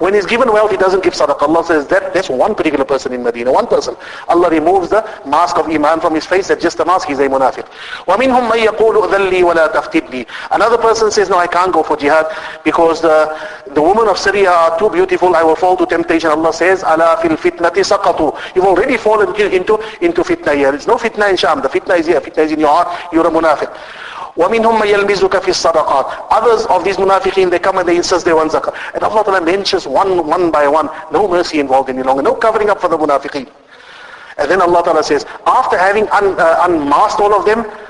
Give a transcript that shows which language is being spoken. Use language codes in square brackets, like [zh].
[en] When he's given wealth, he doesn't give sadaqah. Allah says that's one particular person in Medina, one person. Allah removes the mask of iman from his face, that's just a mask, he's a munafiq. [ar] وَمِنْهُمْ مَنْ يَقُولُ أُذَلِّي وَلَا تَفْتِدْنِي. [en] Another person says, no, I can't go for jihad because the women of Syria are too beautiful, I will fall to temptation. Allah says, [ar] أَلَا فِي الْفِتْنَةِ سَقَطُوا. [en] You've already fallen into fitna here. There's no fitna in Sham, the fitna is here, fitna is in your heart, you're a munafiq. [ar] وَمِنْهُمْ مَنْ يَلْمِزُكَ فِي الصَّدَقَاتِ. [en] Others of these munafiqeen, they come and they insist they want zakah. And Allah Ta'ala mentions one by one, no mercy involved any longer, no covering up for the munafiqeen. And then Allah Ta'ala says, after having unmasked all of them,